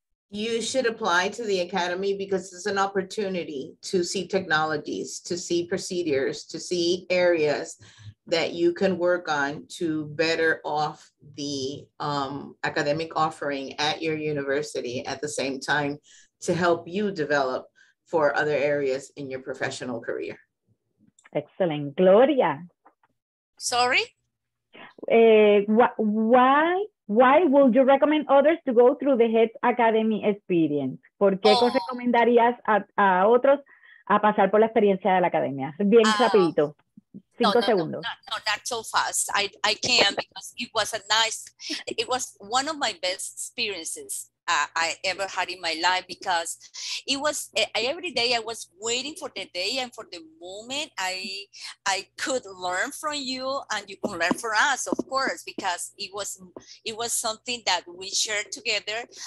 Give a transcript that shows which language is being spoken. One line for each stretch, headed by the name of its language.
English: You should apply to the Academy because it's an opportunity to see technologies, to see procedures, to see areas that you can work on to better off the academic offering at your university, at the same time to help you develop for other areas in your professional career. Excellent. Gloria. Sorry? Why would you recommend others to go through the HETS Academy experience?
Spanish: ¿Por qué recomendarías a otros a pasar por la experiencia de la academia? Bien rapidito.
English: Not so fast. I can, because it was a nice, it was one of my best experiences I ever had in my life, because it was every day I was waiting for the day and for the moment I could learn from you and you can learn from us, of course, because it was something that we shared together.